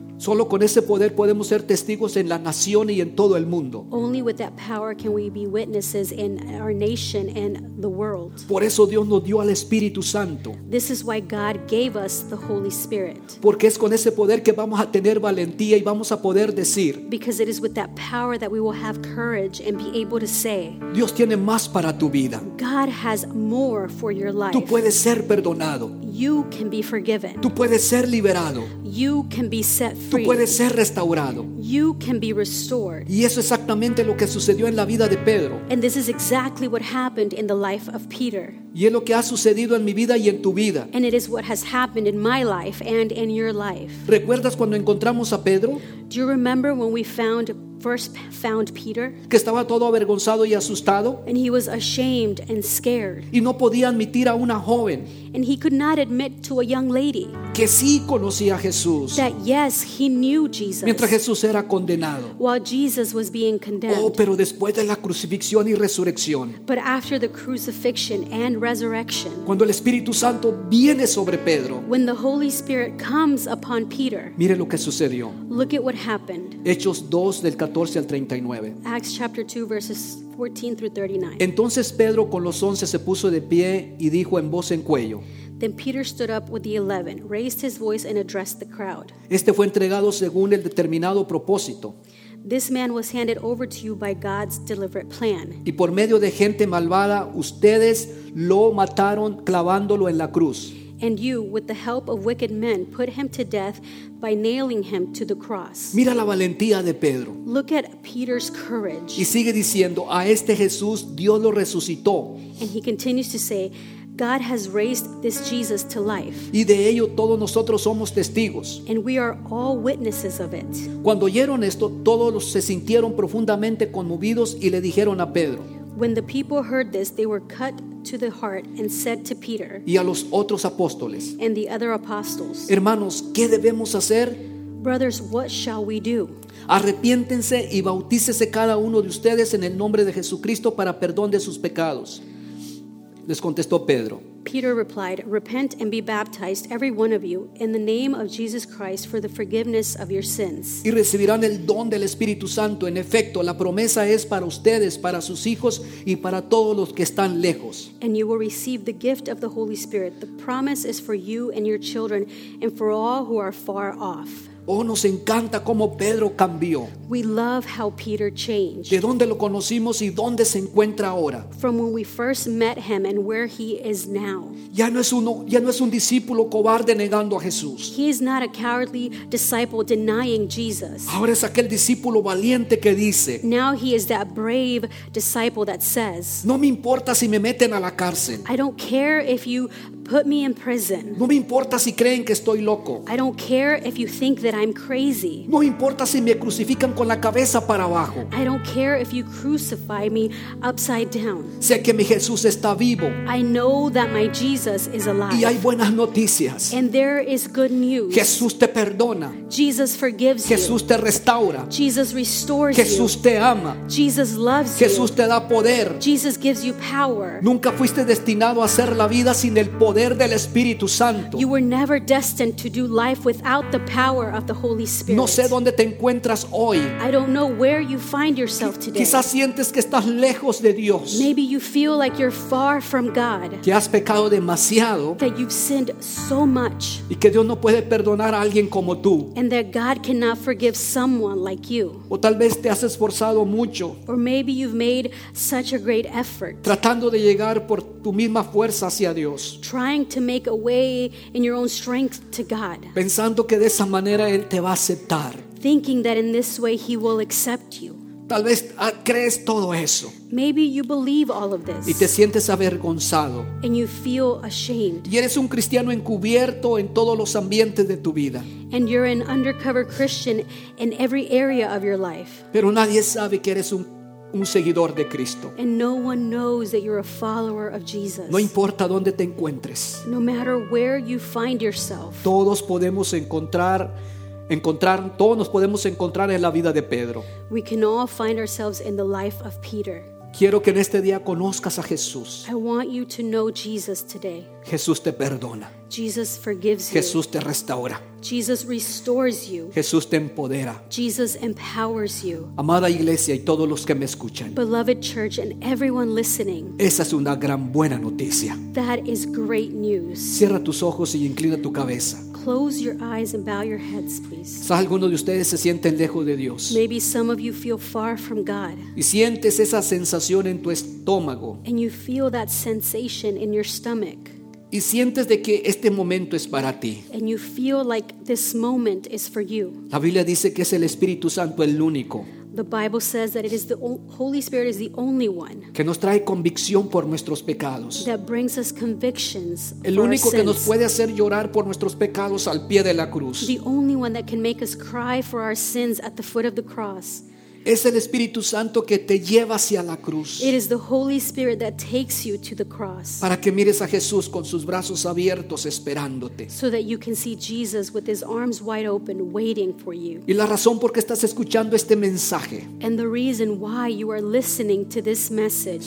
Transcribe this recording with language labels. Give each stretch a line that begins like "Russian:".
Spanish: Solo con ese poder podemos ser testigos en la nación y en todo el mundo.
English: Only with that power can we be witnesses in our nation and the world.
Spanish: Por eso Dios nos dio al Espíritu Santo.
English: This is why God gave us the Holy Spirit.
Spanish: Porque es con ese poder que vamos a tener valentía y vamos a poder decir.
English: Because it is with that power that we will have courage and be able to say.
Spanish: Dios tiene más para tu vida.
English: God has more for your life.
Spanish: Tú puedes ser perdonado.
English: You can be forgiven.
Spanish: Tú puedes ser liberado.
English: You can be set free.
Spanish: Tú puedes ser restaurado.
English: You can be restored.
Spanish: Y eso es exactamente lo que sucedió en la vida de Pedro.
English: And this is exactly what happened in the life of Peter.
Spanish: Y es lo que ha sucedido en mi vida y en tu vida.
English: And it is what has happened in my life and in your life.
Spanish: ¿Recuerdas cuando encontramos a Pedro?
English: Do you remember when we first found Peter?
Spanish: Que estaba todo avergonzado y asustado.
English: And he was ashamed and scared.
Spanish: Y no podía admitir a una joven.
English: And he could not admit to a young lady.
Spanish: Que sí conocía a Jesús.
English: That yes, he knew Jesus.
Spanish: Mientras Jesús era condenado.
English: While Jesus was being condemned.
Spanish: Oh, pero después de la crucifixión y resurrección.
English: But after the crucifixion and resurrection.
Spanish: Cuando el Espíritu Santo viene sobre Pedro.
English: When the Holy Spirit comes upon Peter.
Spanish: Mire lo que sucedió.
English: Look at what happened.
Spanish: Hechos 2 del 14 al 39.
English: Acts chapter 2 verses 14 through 39.
Spanish: Entonces Pedro con los 11 se puso de pie y dijo en voz en cuello.
English: Then Peter stood up with the 11, raised his voice and addressed the crowd.
Spanish: Este fue entregado según el determinado propósito.
English: This man was handed over to you by God's deliberate plan.
Spanish: Y por medio de gente malvada ustedes lo mataron clavándolo en la cruz.
English: And you, with the help of wicked men, put him to death by nailing him to the cross.
Spanish: Mira la valentía de Pedro.
English: Look at Peter's courage.
Spanish: Y sigue diciendo, a este Jesús Dios lo resucitó.
English: And he continues to say, God has raised this Jesus to life.
Spanish: Y de ello todos nosotros somos testigos.
English: And we are all witnesses of it.
Spanish: Cuando oyeron esto, todos se sintieron profundamente conmovidos y le dijeron a Pedro.
English: When the people heard this, they were cut to the heart and said to Peter
Spanish: y a los otros apóstoles,
English: and the other apostles,
Spanish: hermanos, ¿qué debemos hacer?
English: Brothers, what shall we do?
Spanish: Arrepiéntense y bautícese cada uno de ustedes en el nombre de Jesucristo para perdón de sus pecados. Les contestó Pedro.
English: Peter replied, repent and be baptized, every one of you, in the name of Jesus Christ for the forgiveness of your sins.
Spanish: Y recibirán el don del Espíritu Santo. En efecto, la promesa es para ustedes, para sus hijos y para todos los que están lejos.
English: And you will receive the gift of the Holy Spirit. The promise is for you and your children and for all who are far off.
Spanish: Oh, nos encanta cómo Pedro cambió.
English: We love how Peter changed.
Spanish: ¿De dónde lo conocimos y dónde se encuentra ahora?
English: From when we first met him and where he is now.
Spanish: Ya no es un discípulo cobarde negando a Jesús.
English: He is not a cowardly disciple denying Jesus.
Spanish: Ahora es aquel discípulo valiente que dice.
English: Now he is that brave disciple that says.
Spanish: No me importa si me meten a la cárcel.
English: I don't care if you put me in prison.
Spanish: No me importa si creen que estoy loco.
English: I don't care if you think that I'm crazy.
Spanish: No importa si me crucifican con la cabeza para abajo.
English: I don't care if you crucify me upside down.
Spanish: Sé que mi Jesús está vivo.
English: I know that my Jesus is alive.
Spanish: Y hay buenas noticias.
English: And there is good news.
Spanish: Jesús te perdona.
English: Jesus forgives you.
Spanish: Jesús te restaura.
English: Jesus restores you.
Spanish: Jesús te ama.
English: Jesus loves you.
Spanish: Jesús te da poder.
English: Jesus gives you power.
Spanish: Nunca fuiste destinado a hacer la vida sin el poder. Poder del Espíritu Santo.
English: You were never destined to do life without the power of the Holy Spirit.
Spanish: No sé dónde te encuentras hoy.
English: I don't know where you find yourself today.
Spanish: Quizás sientes que estás lejos de Dios.
English: Maybe you feel like you're far from God.
Spanish: Que has pecado demasiado.
English: That you've sinned so much.
Spanish: Y que Dios no puede perdonar a alguien como tú.
English: And that God cannot forgive someone like you.
Spanish: O tal vez te has esforzado mucho.
English: Or maybe you've made such a great effort.
Spanish: Tratando de llegar por tu misma fuerza hacia Dios.
English: Trying to make a way in your own strength to God.
Spanish: Pensando que de esa manera Él te va a aceptar.
English: Thinking that in this way He will accept you.
Spanish: Tal vez crees todo eso.
English: Maybe you believe all of this.
Spanish: Y te sientes avergonzado.
English: And you feel ashamed.
Spanish: Y eres un cristiano encubierto en todos los ambientes de tu vida.
English: And you're an undercover Christian in every area of your life.
Spanish: Pero nadie sabe que eres un seguidor de Cristo.
English: And no one knows that you're a follower of Jesus.
Spanish: No importa dónde te encuentres.
English: No matter where you find yourself.
Spanish: Todos podemos encontrar todos nos podemos encontrar en la vida de Pedro.
English: We can all find ourselves in the life of Peter.
Spanish: Quiero que en este día conozcas a Jesús.
English: I want you to know Jesus today.
Spanish: Jesús te perdona.
English: Jesus forgives you.
Spanish: Jesús te restaura.
English: Jesus restores you.
Spanish: Jesús te empodera.
English: Jesus empowers you.
Spanish: Amada iglesia y todos los que me escuchan.
English: Beloved church and everyone listening.
Spanish: Esa es una gran buena noticia.
English: That is great news.
Spanish: Cierra tus ojos y inclina tu cabeza.
English: Close your eyes and bow your heads, please.
Spanish: ¿Sabes alguno de ustedes se sienten lejos de Dios?
English: Maybe some of you feel far from God.
Spanish: Y sientes esa sensación en tu estómago.
English: And you feel that sensation in your stomach.
Spanish: Y sientes de que este momento es para ti.
English: And you feel like this moment is for you.
Spanish: La Biblia dice que es el Espíritu Santo el único.
English: The Bible says that it is the Holy Spirit is the only one.
Spanish: Que nos trae convicción por nuestros pecados.
English: That brings us convictions for our sins.
Spanish: El único que nos puede hacer llorar por nuestros pecados al pie de la cruz.
English: The only one that can make us cry for our sins at the foot of the cross.
Spanish: Es el Espíritu Santo que te lleva hacia la cruz.
English: It is the Holy Spirit that takes you to the cross.
Spanish: Para que mires a Jesús con sus brazos abiertos esperándote.
English: So that you can see Jesus with his arms wide open waiting for you.
Spanish: Y la razón por qué estás escuchando este mensaje.
English: And the reason why you are listening to this message.